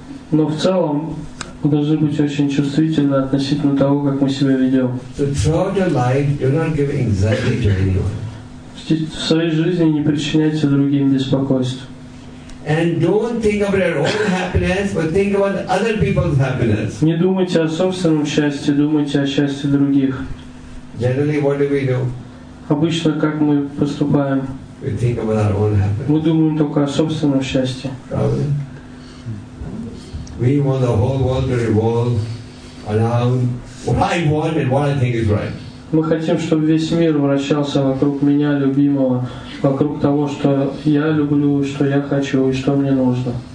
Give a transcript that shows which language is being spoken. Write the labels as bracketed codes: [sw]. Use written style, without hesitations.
[ru] Но в целом мы должны быть очень чувствительны относительно того, как мы себя ведем. В своей жизни не причиняйте другим беспокойств. [en] And don't think about your own happiness, but think about other people's happiness. [ru] Не думайте о собственном счастье, думайте о счастье других. [en] Generally, what do we do? [ru] Обычно как мы поступаем? [en] We think about our own happiness. [ru] Мы думаем только о собственном счастье. [en] Probably. We want the whole world to revolve around what I want and what I think is right. [ru] Мы хотим, чтобы весь мир вращался вокруг меня, любимого, вокруг того, что я люблю, что я хочу и что мне нужно.